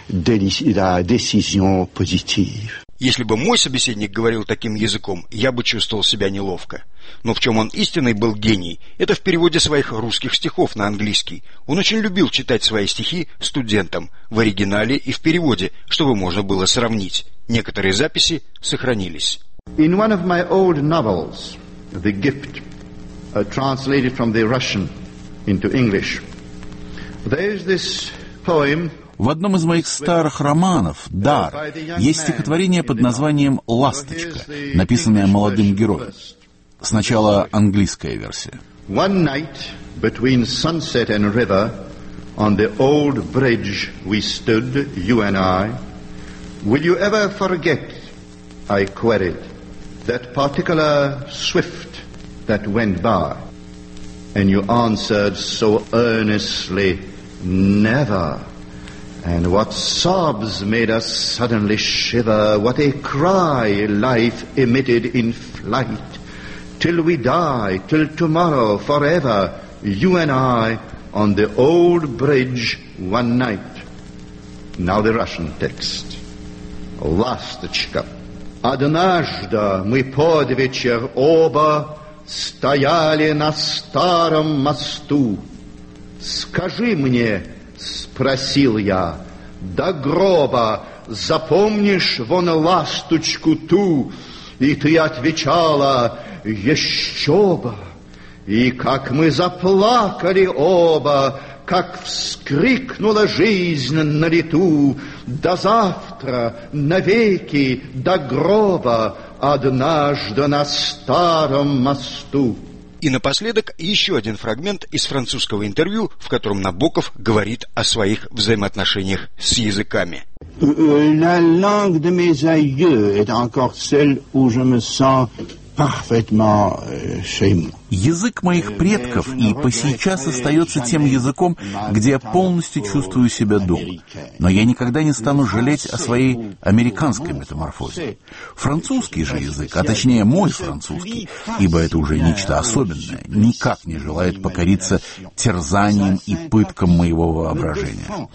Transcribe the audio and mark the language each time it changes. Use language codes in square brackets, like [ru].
[ru] Если бы мой собеседник говорил таким языком, я бы чувствовал себя неловко. Но в чем он истинный был гений, это в переводе своих русских стихов на английский. Он очень любил читать свои стихи студентам в оригинале и в переводе, чтобы можно было сравнить. Некоторые записи сохранились. [en] In one of my old novels, The Gift, translated from the Russian into English, there's this poem. [ru] В одном из моих старых романов «Дар» есть стихотворение под названием «Ласточка», написанное молодым героем. Сначала английская версия. [en] One night between sunset and river, on the old bridge we stood, you and I. Will you ever forget, I queried, that particular swift that went by? And you answered so earnestly, never. And what sobs made us suddenly shiver, what a cry life emitted in flight. Till we die, till tomorrow, forever, you and I, on the old bridge, one night. Now the Russian text. Ласточка. [ru] Однажды мы под вечер оба стояли на старом мосту. Скажи мне, спросил я, до гроба запомнишь вон ласточку ту? И ты отвечала, еще бы. И как мы заплакали оба, как вскрикнула жизнь на лету. До завтра, навеки, до гроба, однажды на старом мосту. И напоследок еще один фрагмент из французского интервью, в котором Набоков говорит о своих взаимоотношениях с языками. [fr] La langue de mes aïeux est encore celle où je me sens parfaitement chez moi. [ru] Язык моих предков и по сейчас остается тем языком, где я полностью чувствую себя дома. Но я никогда не стану жалеть о своей американской метаморфозе. Французский же язык, а точнее мой французский, ибо это уже нечто особенное, никак не желает покориться терзаниям и пыткам моего воображения.